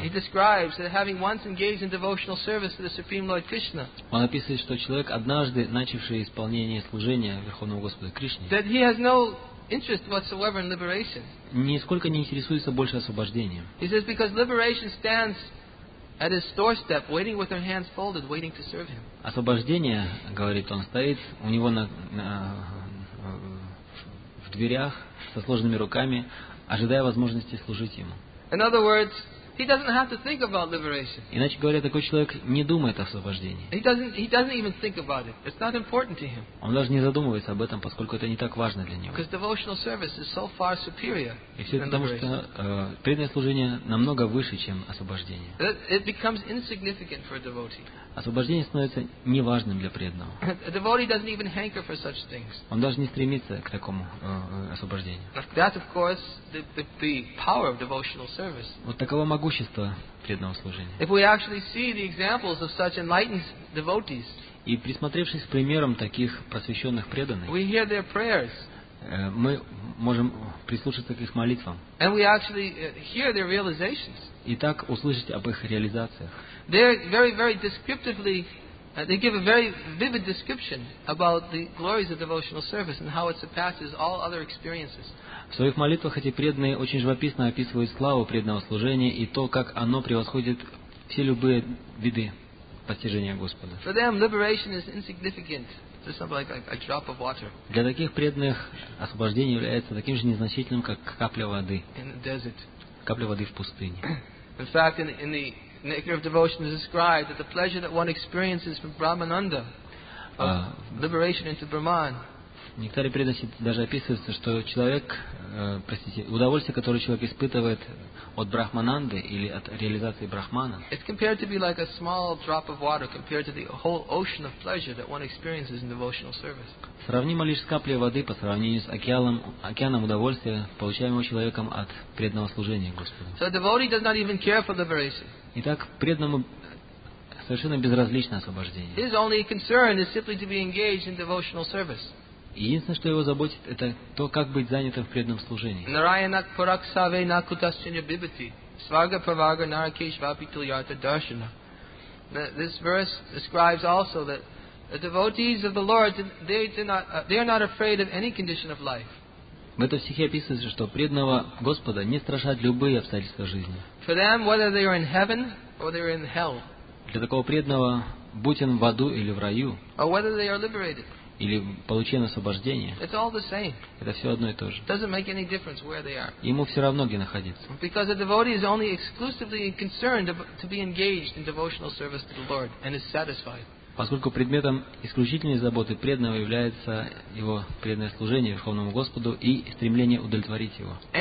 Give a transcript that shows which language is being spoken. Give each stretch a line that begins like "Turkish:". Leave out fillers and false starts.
English: He describes that having once engaged in devotional service to the Supreme Lord Krishna.
Russian: Он описывает, что человек, однажды начавший исполнение служения Верховному Господу Кришне,
English: that he has no interest whatsoever in liberation.
Russian: Нисколько не интересуется больше освобождением.
English: He says because liberation stands at his doorstep, waiting with her hands folded, waiting to serve him.
Russian: Освобождение, говорит он, стоит у него в дверях со сложенными руками, ожидая возможности служить ему.
English: In other words, he doesn't have to think about liberation.
Russian: Иначе говоря, такой человек не думает о освобождении.
English: He doesn't even think about it. It's not important to him.
Russian: Он даже не задумывается об этом, поскольку это не так важно для него.
English: Because devotional service is so far superior.
Russian: И все потому, что преданное служение намного выше, чем освобождение.
English: It becomes insignificant for a devotee.
Russian: Освобождение становится неважным для преданного.
English: A devotee doesn't even hanker for such things.
Russian: Он даже не стремится к такому освобождению.
English: That, of course, the power of devotional service.
Russian: Вот таково могущество преданного служения.
English: If we actually see the examples of such enlightened devotees,
Russian: и присмотревшись к примерам таких просвещенных преданных,
English: we hear their prayers.
Russian: Мы можем прислушаться к их молитвам.
English: And we actually hear their realizations.
Russian: И так услышать об их реализациях.
English: They're very, very descriptively, they give a very vivid description about the glories of devotional service and how it surpasses all other experiences.
Russian: В своих молитвах эти преданные очень живописно описывают славу преданного служения и то, как оно превосходит все любые виды постижения Господа.
English: For them, liberation is insignificant. It's something like a drop of water.
Russian: Для таких преданных освобождение является таким же незначительным, как капля воды.
English: In the desert.
Russian: Капля воды в пустыне.
English: In fact, in the nectar of devotion is described that the pleasure that one experiences from Brahmananda, liberation into Brahman.
Russian: Некоторые преданные даже описываются, что человек, простите, удовольствие, которое человек испытывает от Брахмананды или от реализации Брахмана.
English: It's compared to be like a small drop of water compared to the whole ocean of pleasure that one experiences in devotional service.
Russian: Сравнимо лишь с каплей воды по сравнению с океаном удовольствия, получаемого человеком от преданного служения Господу.
English: So a devotee does not even care for liberation.
Russian: Итак, преданному совершенно безразлично освобождение.
English: His only concern is simply to be engaged in devotional service.
Russian: Единственное, что его заботит, это то, как быть занятым в преданном служении.
Sanskrit: Нараянак пураксаве накутасчанья бибати сварга правага наракеш вапитульярта даршана.
English: This verse describes also that The devotees of the Lord, they are not afraid of any condition of life.
Russian: В этом стихе описывается, что преданного Господа не страшат любые обстоятельства жизни.
English: For them, whether they are in heaven or they are in hell.
Russian: Для такого преданного, будь он в аду или в раю,
English: or whether they are liberated,
Russian: или получение освобождения,
English: it's all the same.
Russian: Это все одно и то же.
English: It doesn't make any difference where they are.
Russian: Ему все равно, где находиться.
English: Because a devotee is only exclusively concerned to be engaged in devotional service to the Lord and is satisfied.
Russian: Поскольку предметом исключительной заботы преданного является его преданное служение Верховному Господу и стремление удовлетворить его.